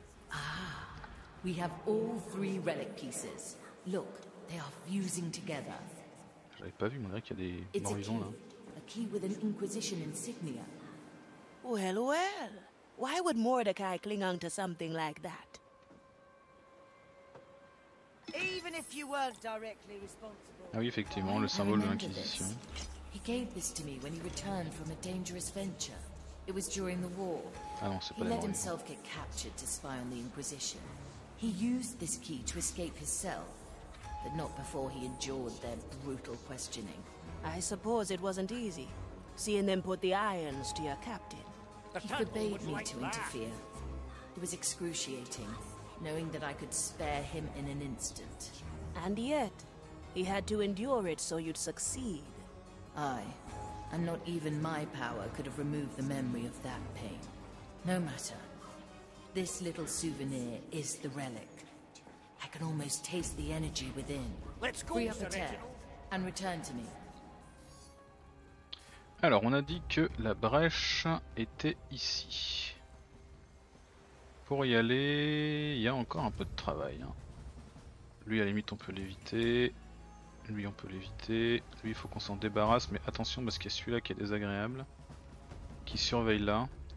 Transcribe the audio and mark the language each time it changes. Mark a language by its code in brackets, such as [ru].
[en] Ah, we have all three relic pieces. Look, they are fusing together. [fr] J'avais pas vu, mon gars, qu'il y a des morts-vivants là. [en] A key with an Inquisition insignia. Well, well. Why would Mordecai cling on to something like that? Even if you weren't directly responsible. [fr] Ah oui, effectivement, le symbole de l'Inquisition. [en] He gave this to me when he returned from a dangerous venture. It was during the war. [fr] Ah non, c'est pas. [en] He let himself get captured to spy on the Inquisition. He used this key to escape his cell, but not before he endured their brutal questioning. I suppose it wasn't easy, seeing them put the irons to your captain. He forbade me to interfere. It was excruciating. Knowing that I could spare him in an instant. And yet, he had to endure it so you'd succeed. Aye, and not even my power could have removed the memory of that pain. No matter. This little souvenir is the relic. I can almost taste the energy within. Let's go, free up a tear, and return to me. [fr] Alors, on a dit que la brèche était ici. Pour y aller, il y a encore un peu de travail. Hein. Lui, à la limite, on peut l'éviter. Lui, on peut l'éviter. Lui, il faut qu'on s'en débarrasse. Mais attention, parce qu'il y a celui-là qui est désagréable. Qui surveille là.